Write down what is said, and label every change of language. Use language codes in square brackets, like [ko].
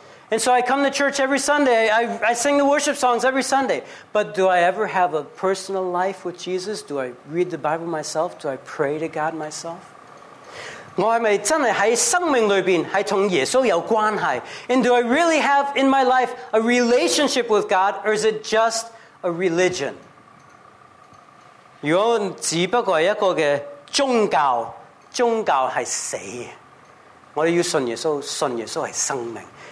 [en] And so I come to church every Sunday. I sing the worship songs every Sunday. But do I ever have a personal life with Jesus? Do I read the Bible myself? Do I pray to God myself? [zh] 我是不是真的在生命里面是跟耶稣有关系? [en] And do I really have in my life a relationship with God, or is it just a religion? [zh] 如果只不过是一个的宗教，宗教是死的。我们要信耶稣，信耶稣是生命。